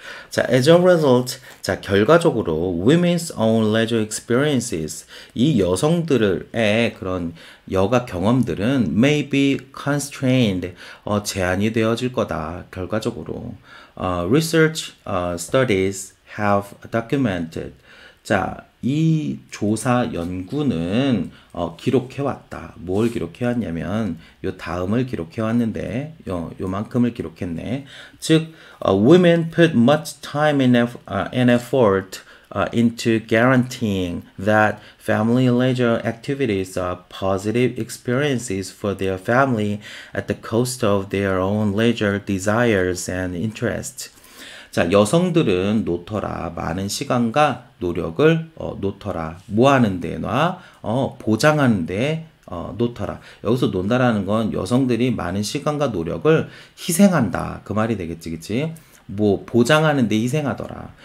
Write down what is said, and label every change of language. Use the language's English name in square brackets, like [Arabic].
[Korean] 자, [English] as a result, [Korean] 자, 결과적으로, [English] women's own leisure experiences, [Korean] 이 여성들의 그런 여가 경험들은 [English] may be constrained, [Korean] 제한이 되어질 거다, 결과적으로. [English] Research, studies have documented. [Korean] 자, 이 조사 연구는 기록해왔다. 뭘 기록해왔냐면, 요 다음을 기록해왔는데, 요만큼을 기록했네. [English] 즉, women put much time and effort into guaranteeing that family leisure activities are positive experiences for their family at the cost of their own leisure desires and interests. [Korean] 자, 여성들은 놓더라. 많은 시간과 노력을 놓더라. 뭐 하는 데 놔? 보장하는 데 놓더라. 여기서 논다라는 건 여성들이 많은 시간과 노력을 희생한다. 그 말이 되겠지, 그치? 뭐 보장하는 데 희생하더라.